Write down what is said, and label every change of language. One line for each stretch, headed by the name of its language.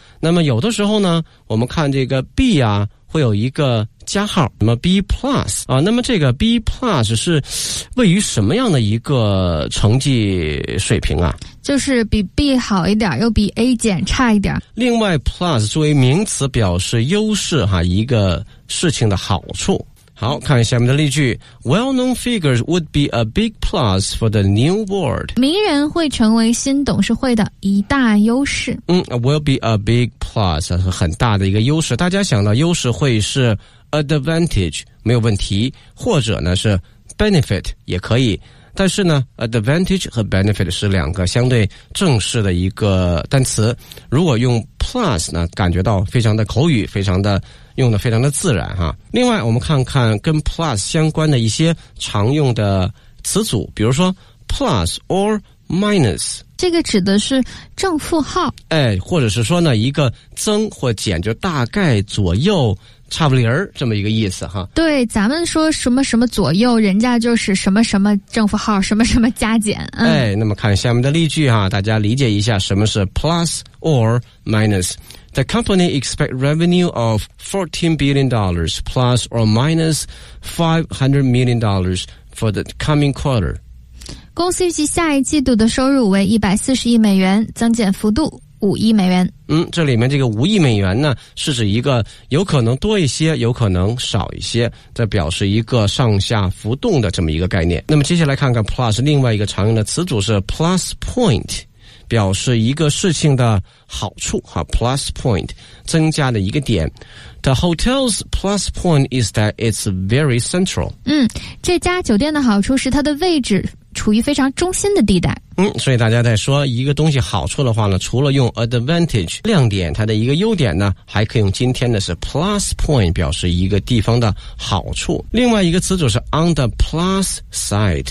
Chinese: 那么有的时候呢我们看这个 B 啊会有一个加号，什么 B+ 啊，那么这个 B+ 是位于什么样的一个成绩水平啊，就是比 B 好一点又比 A 减差一点。另外 plus 作为名词表示优势哈，一个事情的好处。好，看下面的例句。
English: Well-known figures would be a big plus for the new board.
Chinese: 名人会成为新董事会的一大优势。
English: Will be a big plus,
Chinese: 很大的一个优势。大家想到优势会是 advantage, 没有问题，或者呢是 benefit, 也可以。但是呢 advantage 和 benefit 是两个相对正式的一个单词。如果用 plus 呢，感觉到非常的口语，非常的用的非常的自然哈。另外我们看看跟 plus 相关的一些常用的词组，比如说 plus or minus。这个指的是正负号。哎，或者是说呢一个增或减，就大概左右差不离儿这么一个意思哈。对，咱们说什么什么左右，人家就是什么什么正负号，什么什么加减。哎，那么看下面的例句哈，大家理解一下什么是 plus or minus。
English: The company expects revenue of $14 billion plus or minus $500 million for the coming quarter.
Chinese: 公司预计下一季度的收入为140亿美元，增减幅度5亿美元。这里面这个5亿美元呢，是指一个有可能多一些，有可能少一些，这表示一个上下浮动的这么一个概念。那么接下来看看 plus 另外一个常用的词组是 plus point。表示一个事情的好处哈 ，plus point 增加了一个点。
English: The hotel's plus point is that it's very central。
Chinese: 这家酒店的好处是它的位置处于非常中心的地带。所以大家在说一个东西好处的话呢，除了用 advantage 亮点，它的一个优点呢，还可以用今天的是 plus point 表示一个地方的好处。另外一个词组是 on the plus side。